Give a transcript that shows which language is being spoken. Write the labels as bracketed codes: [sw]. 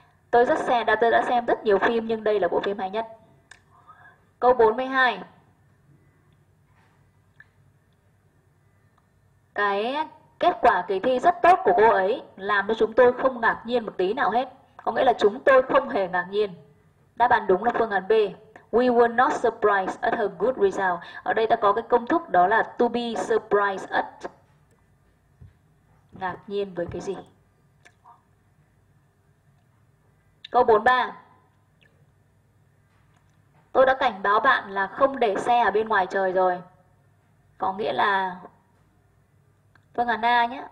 [vi] Tôi đã xem rất nhiều phim nhưng đây là bộ phim hay nhất. Câu 42. Cái kết quả kỳ thi rất tốt của cô ấy làm cho chúng tôi không ngạc nhiên một tí nào hết. Có nghĩa là chúng tôi không hề ngạc nhiên. Đáp án đúng là phương án B. [en] We were not surprised at her good result. [vi] Ở đây ta có cái công thức đó là [en] to be surprised at. [vi] Ngạc nhiên với cái gì? Câu 43. Tôi đã cảnh báo bạn là không để xe ở bên ngoài trời rồi. Có nghĩa là phương án A nhé.